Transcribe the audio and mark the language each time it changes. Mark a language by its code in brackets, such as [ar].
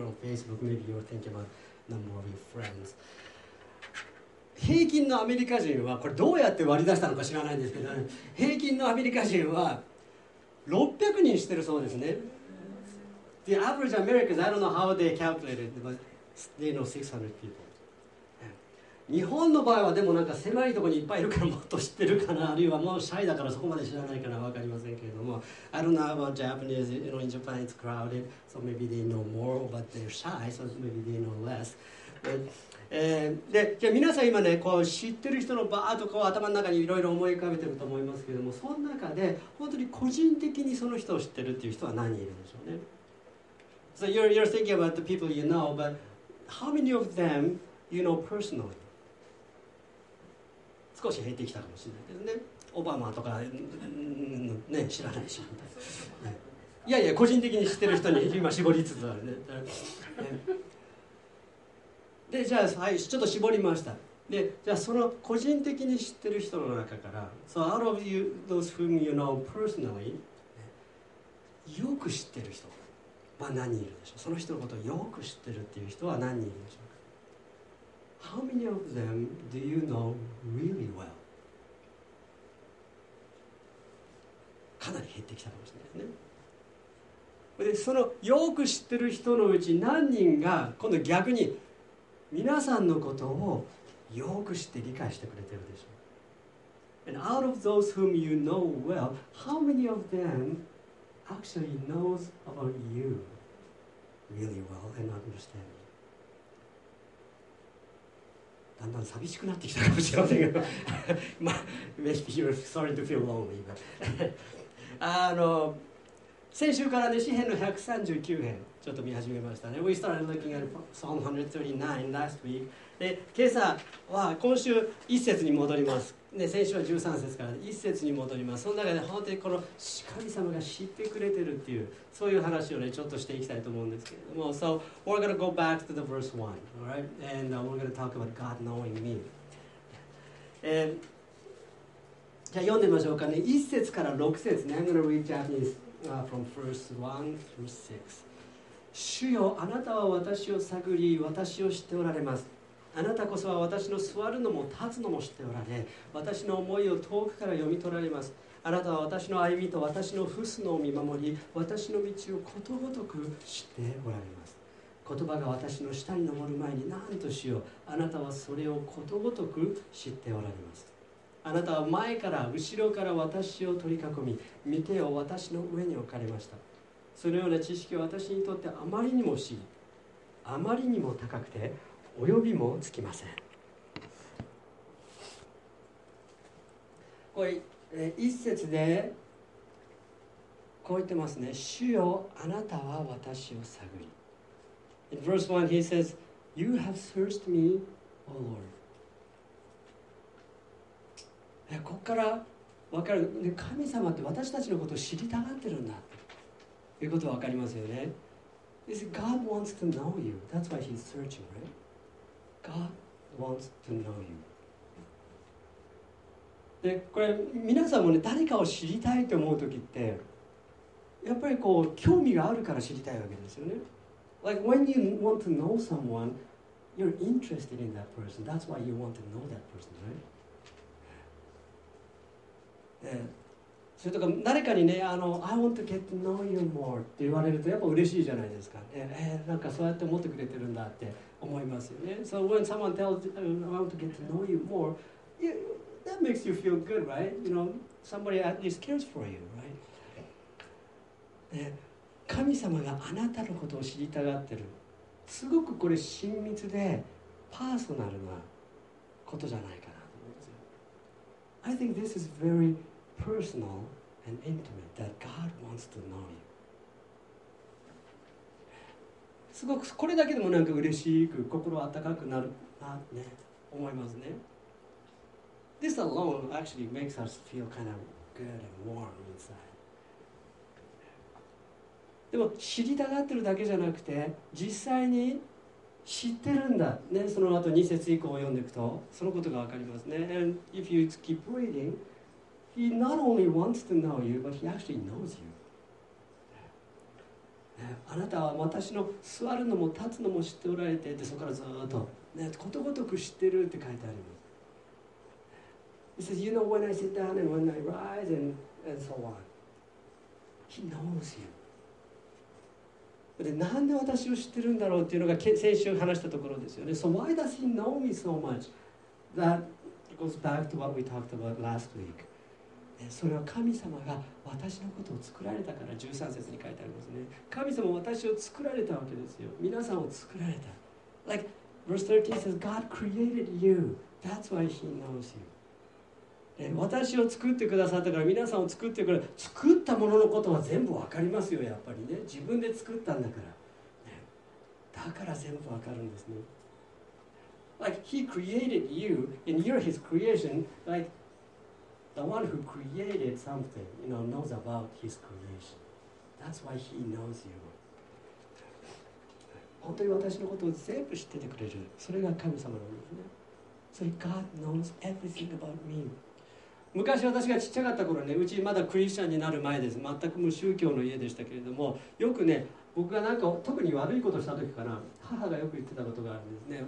[en] If you're on Facebook, maybe you're thinking about number of your friends. [ja] 平均のアメリカ人は、これどうやって割り出したのか知らないんですけど、平均のアメリカ人は600人知ってるそうですね。 [en] The average Americans, I don't know how they calculated, but they know 600 people. [ja] 日本の場合はでもなんか狭いところにいっぱいいるからもっと知ってるかな、あるいはもうシャイだからそこまで知らないかな、わかりませんけれども、 [en] I don't know about Japanese, you know, in Japan it's crowded, so maybe they know more, but they're shy, so maybe they know less. [ja] でじゃあ皆さん今ね、こう知ってる人のバーッとこう頭の中にいろいろ思い浮かべてると思いますけども、その中で本当に個人的にその人を知ってるっていう人は何人いるんでしょうね。 [en] So you're thinking about the people you know, but how many of them you know personally? [ja] 少し減ってきたかもしれないけどね、オバマとか、ね、知らないし、ね、いやいや個人的に知ってる人に今絞りつつあるね。でじゃあ、はい、ちょっと絞りました。でじゃあその個人的に知ってる人の中から、 [en] So out of you, those whom you know personally、 [ja] ね、よく知ってる人は何人いるでしょう。その人のことをよく知ってるっていう人は何人いるでしょうか。 [en] How many of them do you know really well? [ja] かなり減ってきたかもしれないですね。でそのよく知ってる人のうち何人が今度逆に皆さんのことをよく知って理解してくれてるでしょう。 [en] And out of those whom you know well, how many of them actually knows about you really well and understand you? [ja] だんだん寂しくなってきたかもしれませんけど、まあ、 [en] maybe you're starting to feel lonely, [ja] but 先週からね、詩編の139編ちょっと見始めましたね。 [en] We started looking at Psalm 139 last week. [ja] で、今朝は今週1節に戻ります。ね、先週は13節から1節に戻ります。その中で本当にこの神様が知ってくれてるっていう、そういう話をね、ちょっとしていきたいと思うんですけれども。 [en] So, we're going to go back to the verse 1, alright? And we're going to talk about God knowing me. [ja] じゃあ読んでみましょうかね。 1節から6節ね。 [en] I'm going to read Japanese. From verse 1 through 6. [ja] 主よ、あなたは私を探り、私を知っておられます。あなたこそは私の座るのも立つのも知っておられ、私の思いを遠くから読み取られます。あなたは私の歩みと私の伏すのを見守り、私の道をことごとく知っておられます。言葉が私の舌に上る前に、なんと主よ、あなたはそれをことごとく知っておられます。あなたは前から後ろから私を取り囲み、御手を私の上に置かれました。そのような知識は私にとってあまりにも不思議、あまりにも高くて及びもつきません。これ、一節でこう言ってますね。主よ、あなたは私を探り。 [en] In verse 1, he says, You have searched me, O Lord. [ja] ここから分かる、ね、神様って私たちのことを知りたがってるんだということは分かりますよね。 [en] God wants to know you. That's why he's searching, right? God wants to know you. [ja] でこれ皆さんもね、誰かを知りたいと思うときってやっぱりこう興味があるから知りたいわけですよね。 [en] Like when you want to know someone, you're interested in that person. That's why you want to know that person, right? [ja] それとか誰かにね、 [en] I want to get to know you more [ja] って言われるとやっぱ嬉しいじゃないですか。なんかそうやって思ってくれてるんだって思いますよね。 [en] So when someone tells I want to get to know you more, that makes you feel good, right? You know, somebody at least cares for you, right? [ja] 神様があなたのことを知りたがってる。すごくこれ親密でパーソナルなことじゃないかなと思うんですよ。 [en] I think this is very personal and intimate that God wants to know you. [ja] すごくこれだけでもなんか嬉しく心温かくなるなね思いますね。 [en] This alone actually makes us feel kind of good and warm inside. [ja] でも知りたがってるだけじゃなくて実際に知ってるんだ、ね、その後2節以降を読んでいくとそのことが分かりますね。 [en] And if you keep reading, he not only wants to know you, but he actually knows you、 [ja] ね、あなたは私の座るのも立つのも知っておられて、でそこからずっと、ね、ことごとく知ってるって書いてあります。 [en] He says, you know when I sit down and when I rise and so on. He knows you. [ja] でなんで私を知ってるんだろうっていうのが先週話したところですよね。 [en] So why does he know me so much? That goes back to what we talked about last week. [ja] それは神様が私のことを作られたから13節に書いてありますね。神様は私を作られたわけですよ。皆さんを作られた。 [en] Like verse 13 says, God created you. That's why he knows you. [ja] 私を作ってくださったから皆さんを作ってくれ、作ったもののことは全部わかりますよ。やっぱりね、自分で作ったんだから、ね、だから全部わかるんですね。 [en] Like he created you and you're his creation. Like the one who created something, you know, knows about his creation. That's why he knows you. [ja] 本当に私のことを全部知っててくれる、それが神様なんですね。 [en] So God knows everything about me. [ja] 昔私がちっちゃかった頃ね、うちまだクリスチャンになる前です。全く無宗教の家でしたけれども、よくね、僕がなんか特に悪いことをした時かな、母がよく言ってたことがあるんですね。